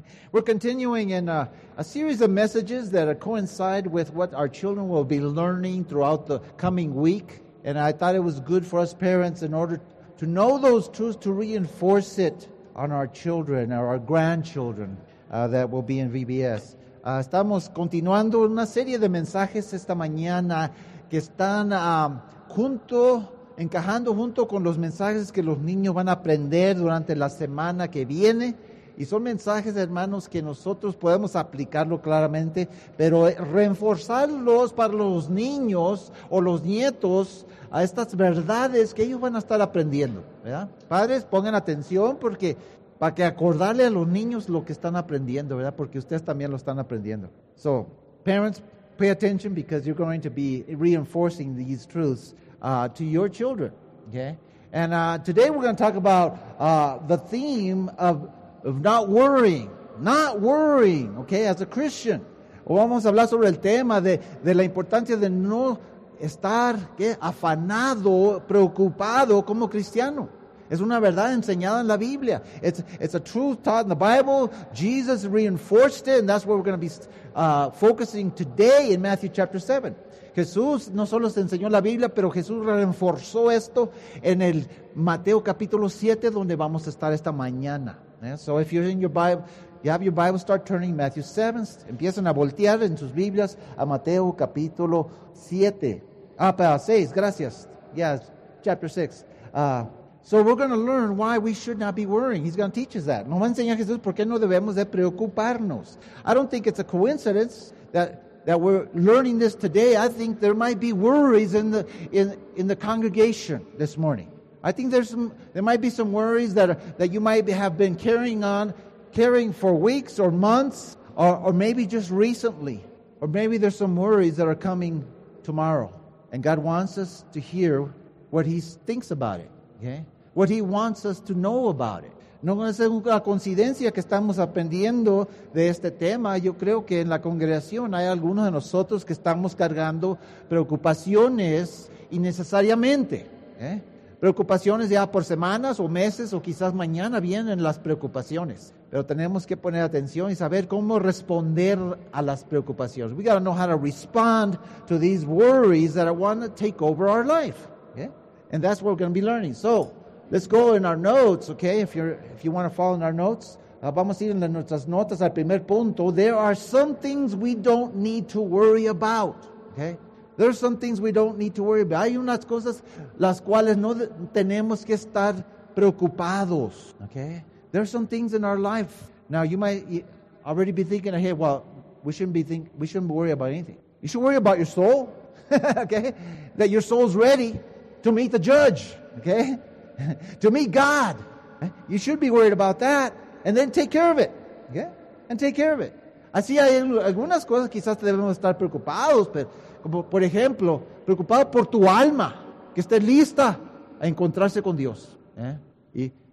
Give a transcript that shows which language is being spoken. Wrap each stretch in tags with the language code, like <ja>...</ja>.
<en>We're continuing in a series of messages that coincide with what our children will be learning throughout the coming week. And I thought it was good for us parents, in order to know those truths, to reinforce it on our children or our grandchildren that will be in VBS.</en> <es>Estamos continuando una serie de mensajes esta mañana que están encajando junto con los mensajes que los niños van a aprender durante la semana que viene. Y son mensajes, hermanos, que nosotros podemos aplicarlo claramente, pero reforzarlos para los niños o los nietos a estas verdades que ellos van a estar aprendiendo, ¿verdad? Padres, pongan atención porque para que acordarle a los niños lo que están aprendiendo, ¿verdad? Porque ustedes también lo están aprendiendo.</es> <en>So, parents, pay attention because you're going to be reinforcing these truths to your children, okay? And today we're going to talk about the theme of not worrying, not worrying, okay, as a Christian.</en> <es>O vamos a hablar sobre el tema de la importancia de no estar, ¿qué?, afanado, preocupado como cristiano. Es una verdad enseñada en la Biblia.</es> <en>It's a truth taught in the Bible. Jesus reinforced it, and that's what we're going to be focusing today in Matthew chapter 7.</en> <es>Jesús no solo se enseñó la Biblia, pero Jesús reforzó esto en el Mateo capítulo 7, donde vamos a estar esta mañana.</es> <en>Yeah, so if you're in your Bible, you have your Bible, start turning Matthew 7.</en> <es>Empiezan a voltear en sus Biblias a Mateo capítulo 7. Ah, para 6, gracias.</es> <en>Yes, chapter 6. So we're going to learn why we should not be worrying. He's going to teach us that.</en> <es>Nos va a enseñar Jesús por qué no debemos de preocuparnos.</es> <en>I don't think it's a coincidence that we're learning this today. I think there might be worries in the congregation this morning. I think there might be some worries that you might have been carrying for weeks or months, or maybe just recently. Or maybe there's some worries that are coming tomorrow. And God wants us to hear what He thinks about it, okay? What He wants us to know about it.</en> <es>No es una coincidencia que estamos aprendiendo de este tema. Yo creo que en la congregación hay algunos de nosotros que estamos cargando preocupaciones innecesariamente, okay? Preocupaciones ya por semanas o meses, o quizás mañana vienen las preocupaciones. Pero tenemos que poner atención y saber cómo responder a las preocupaciones.</es> <en>We got to know how to respond to these worries that want to take over our life. Okay? And that's what we're going to be learning. So, let's go in our notes, okay? If you want to follow in our notes.</en> <es>Vamos a ir en nuestras notas al primer punto.</es> <en>There are some things we don't need to worry about, okay? There's some things we don't need to worry about.</en> <es>Hay unas cosas las cuales no tenemos que estar preocupados, okay?</es> <en>There's some things in our life. Now, you might already be thinking ahead, well, we shouldn't worry about anything. You should worry about your soul, okay? That your soul's ready to meet the judge, okay? To meet God. You should be worried about that, and then take care of it, okay? And take care of it.</en> <es>Así hay algunas cosas quizás debemos estar preocupados, pero como por ejemplo, preocupado por tu alma, que esté lista a encontrarse con Dios, ¿eh?</es>